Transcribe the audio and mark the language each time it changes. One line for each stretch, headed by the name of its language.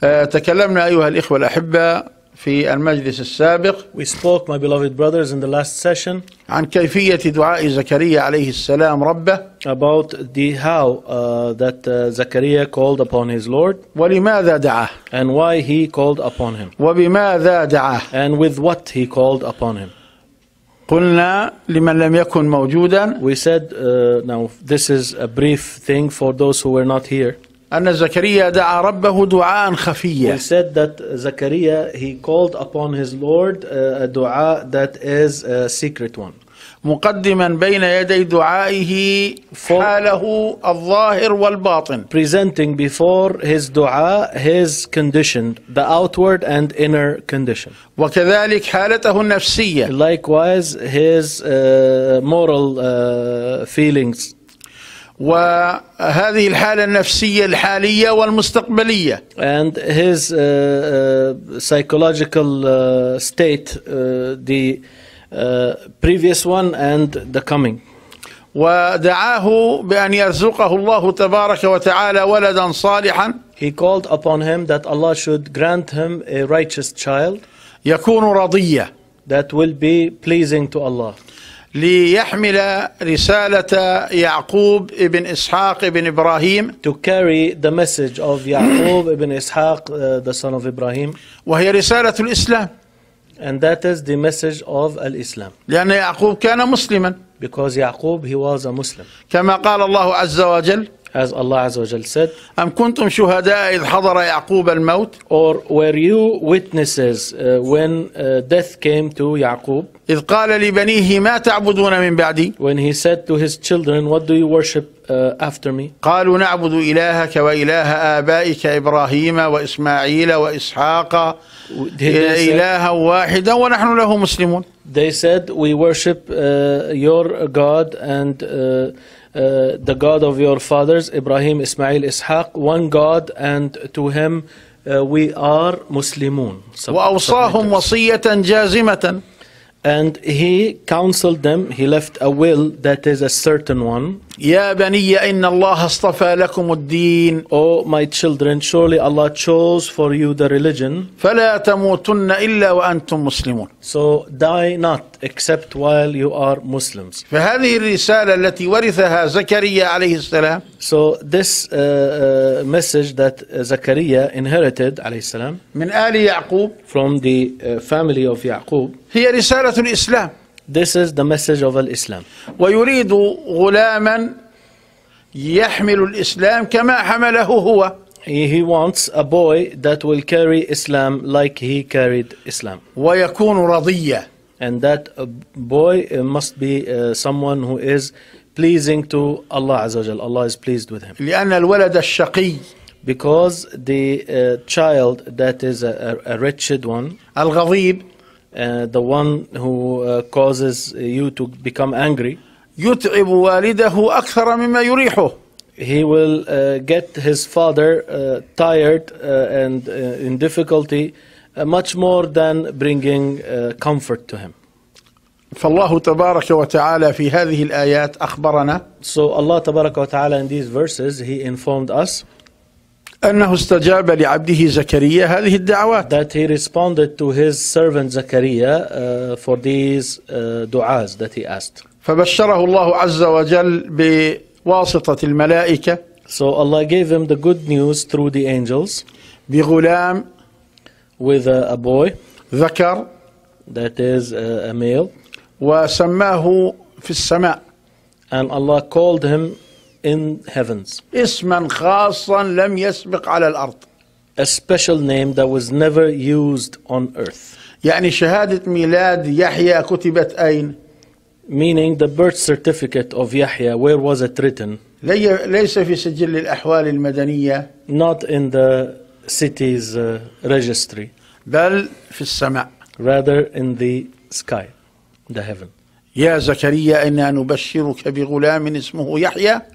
Arabic: تكلمنا أيها الإخوة الأحبة في المجلس السابق.
English: We spoke, my beloved brothers, in the last session.
Arabic: عن كيفية دعاء زكريا عليه السلام ربه.
English: About the how that Zakaria called upon his Lord.
Arabic: ولماذا دعا.
English: And why he called upon him.
Arabic: وبماذا دعا.
English: And with what he called upon him.
Arabic: قلنا لمن لم يكن موجودا.
English: We said now this is a brief thing for those who were not here.
Arabic: أن زكريا دعا ربه دعاء خفية.
English: We said that Zakaria he called upon his Lord a دعاء that is a secret one.
Arabic: مقدما بين يدي دعائه حاله الظاهر والباطن.
English: Presenting before his دعاء his condition, the outward and inner condition.
Arabic: وكذلك حالته النفسية.
English: Likewise his moral feelings.
Arabic: وهذه الحالة النفسية الحالية والمستقبلية.
English: And his psychological state, the previous one and the coming.
Arabic: ودعاه بأن يرزقه الله تبارك وتعالى ولدا صالحا.
English: He called upon him that Allah should grant him a righteous child.
Arabic: يكون رضيا.
English: That will be pleasing to Allah.
Arabic: ليحمل رسالة يعقوب ابن إسحاق ابن إبراهيم.
English: To carry the message of يعقوب ابن إسحاق the son of Ibrahim.
Arabic: وهي رسالة الإسلام.
English: And that is the message of Islam.
Arabic: لأن يعقوب كان مسلما.
English: Because يعقوب he was a Muslim.
Arabic: كما قال الله عز وجل.
English: as Allah Azza wa Jalla said.
Arabic: أم كنتم شهداء إذ حضر يعقوب الموت؟
English: Or were you witnesses when death came to يعقوب؟
Arabic: إذ قال لبنيه ما تعبدون من بعدي؟
English: When he said to his children, what do you worship after me?
Arabic: قالوا نعبد إلهك وإله آبائك إبراهيم وإسماعيل وإسحاق إلها واحدا ونحن له مسلمون.
English: They said, we worship your God and the God of your fathers, Ibrahim, Ismail, Ishaq, one God, and to him we are Muslimun.
Arabic: وأوصاهم وصية جازمة.
English: And he counseled them, he left a will that is a certain one.
Arabic: يا بني إن الله اصطفى لكم الدين.
English: Oh my children, surely Allah chose for you the religion.
Arabic: فلا تموتن إلا وأنتم مسلمون.
English: So die not except while you are Muslims.
Arabic: فهذه الرسالة التي ورثها زكريا عليه السلام.
English: So this message that زكريا inherited
Arabic: عليه السلام. من آل يعقوب.
English: From the family of يعقوب.
Arabic: هي رسالة الإسلام.
English: This is the message of Islam.
Arabic: ويريد غلاما يحمل الإسلام كما حمله هو.
English: He wants a boy that will carry Islam like he carried Islam.
Arabic: ويكون رضيا.
English: And that boy must be someone who is pleasing to Allah
Arabic: عز وجل.
English: Allah is pleased with him.
Arabic: لأن الولد الشقي.
English: Because the child that is a wretched one.
Arabic: الغضيب.
English: The one who causes you to become angry.
Arabic: يتعب والده أكثر مما يريحه.
English: He will get his father tired and in difficulty much more than bringing comfort to him.
Arabic: فالله تبارك وتعالى في هذه الآيات أخبرنا.
English: So Allah
Arabic: تبارك وتعالى
English: in these verses he informed us.
Arabic: أنه استجاب لعبده زكريا هذه الدعوات.
English: That he responded to his servant Zakaria for these du'as that he asked.
Arabic: فبشره الله عز وجل بواسطة الملائكة.
English: So Allah gave him the good news through the angels.
Arabic: بغلام.
English: With a boy.
Arabic: ذكر.
English: That is a male.
Arabic: وسماه في السماء.
English: And Allah called him in heavens.
Arabic: اسما خاصا لم يسبق على الأرض.
English: A special name that was never used on earth.
Arabic: يعني شهادة ميلاد يحيى كتبت أين؟
English: Meaning the birth certificate of يحيى, where was it written?
Arabic: ليس في سجل الأحوال المدنية.
English: Not in the city's registry.
Arabic: بل في السماء.
English: Rather in the sky, the heaven.
Arabic: يا زكريا إنا نبشرك بغلام اسمه يحيى.